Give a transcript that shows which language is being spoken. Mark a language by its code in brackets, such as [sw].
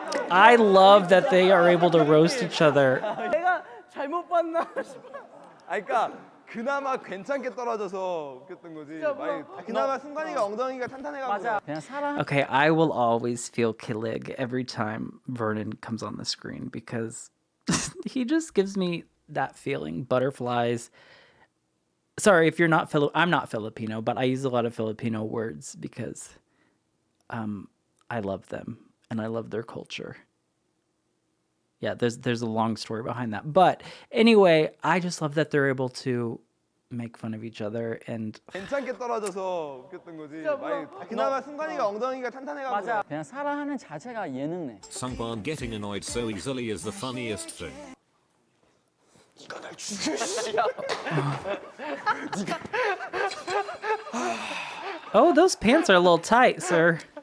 [en] I love that they are able to roast each other. [ko] 내가 잘못 봤나? 아이까 그나마 괜찮게 떨어져서 웃겼던 거지. 그나마 순간이가 엉덩이가 탄탄해가지고. 그냥 사랑. [en] Okay, I will always feel Killig every time Vernon comes on the screen because he just gives me that feeling. Butterflies. Sorry, if you're not I'm not Filipino, but I use a lot of Filipino words because I love them. And I love their culture. Yeah, there's a long story behind that. But anyway, I just love that they're able to make fun of each other and [ko] 괜찮게 떨어져서 웃겼던 거지. 그나마 순간이가 엉덩이가 탄탄해가지고. 그냥 사랑하는 자체가 예능네. [en] Sungbaum getting annoyed so easily is the funniest thing. [ko] 네가 날 죽여. [en] Oh, those pants are a little tight, sir.